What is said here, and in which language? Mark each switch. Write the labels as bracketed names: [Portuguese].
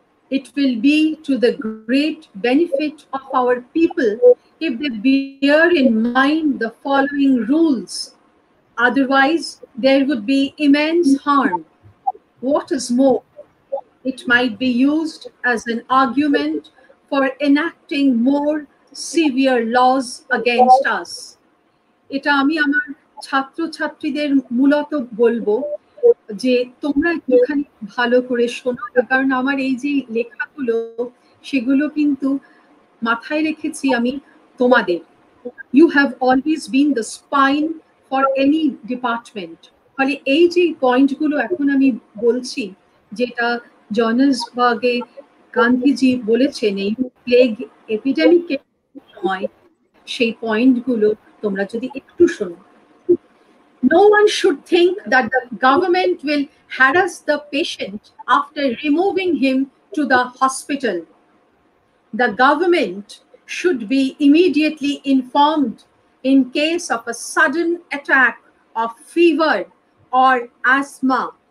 [English] it will be to the great benefit of our people if they bear in mind the following rules. Otherwise, there would be immense harm. What is more, it might be used as an argument for enacting more severe laws against us. [Bangla] এটা আমি আমার ছাত্রছাত্রীদের মূলত বলবো যে তোমরা একটুখানি ভালো করে শোনো, কারণ আমার এই যে লেখাগুলো সেগুলো কিন্তু মাথায় রেখেছি আমি তোমাদের। [English] You have always been the spine for any department. [Bangla] ফলে এই যে পয়েন্টগুলো এখন আমি বলছি, যেটা জোহানেসবার্গে গান্ধীজি বলেছেন এই প্লেগ এপিডেমিকের সময়, সেই পয়েন্টগুলো তোমরা যদি একটু শোনো। [English] No one should think that the government will harass the patient after removing him to the hospital. The government should be immediately informed in case of a sudden attack of fever or asthma.